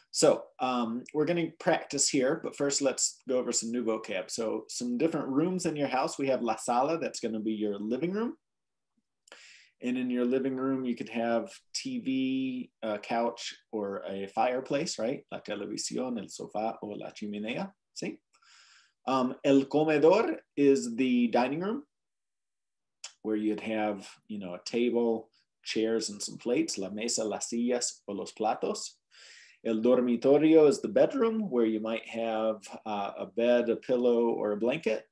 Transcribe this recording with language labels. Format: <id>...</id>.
<en>So we're going to practice here, but first let's go over some new vocab. So some different rooms in your house. We have la sala, that's going to be your living room. And in your living room, you could have TV, a couch, or a fireplace, right?</en> <es>La televisión, el sofá, o la chimenea, ¿sí?</es> <en>El comedor is the dining room, where you'd have, you know, a table, chairs, and some plates.</en> <es>La mesa, las sillas, o los platos.</es> <en>El dormitorio is the bedroom, where you might have a bed, a pillow, or a blanket.</en>